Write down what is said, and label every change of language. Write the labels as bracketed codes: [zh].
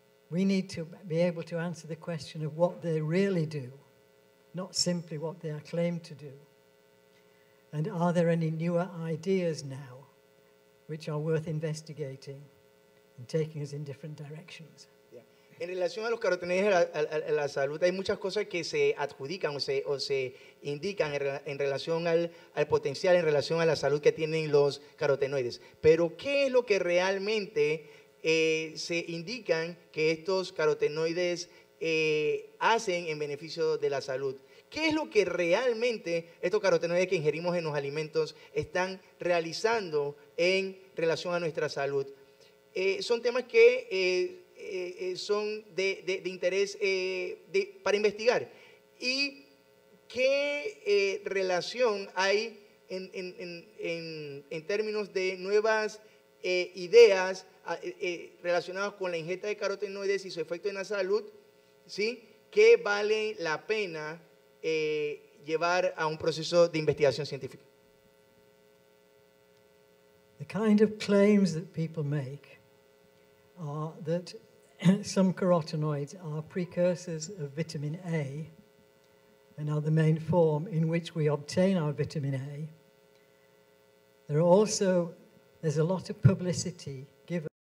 [en] We need to be able to answer the question of what they really do, not simply what they are claimed to do. And are there any newer ideas now which are worth investigating and taking us in different directions? [es] En relación a los carotenoides a la salud, hay muchas cosas que se adjudican o se indican en relación al potencial, en relación a la salud que tienen los carotenoides. Pero ¿qué es lo que realmente se indican que estos carotenoides hacen en beneficio de la salud? ¿Qué es lo que realmente estos carotenoides que ingerimos en los alimentos están realizando en relación a nuestra salud? Son temas que son de interés para investigar. ¿Y qué relación hay en términos de nuevas ideas relacionadas con la ingesta de carotenoides y su efecto en la salud? ¿Sí? ¿Qué vale la pena llevar a un proceso de investigación científica? [en] The kind of claims that people make are that some carotenoids are precursors of vitamin A and are the main form in which we obtain our vitamin A. There's a lot of publicity given.